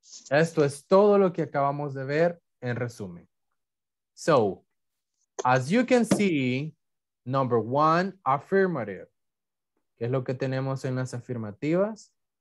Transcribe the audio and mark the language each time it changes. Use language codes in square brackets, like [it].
[es] Esto es todo lo que acabamos de ver en resumen. [en] So, as you can see, number one, affirmative. [es] ¿Qué es lo que tenemos en las afirmativas?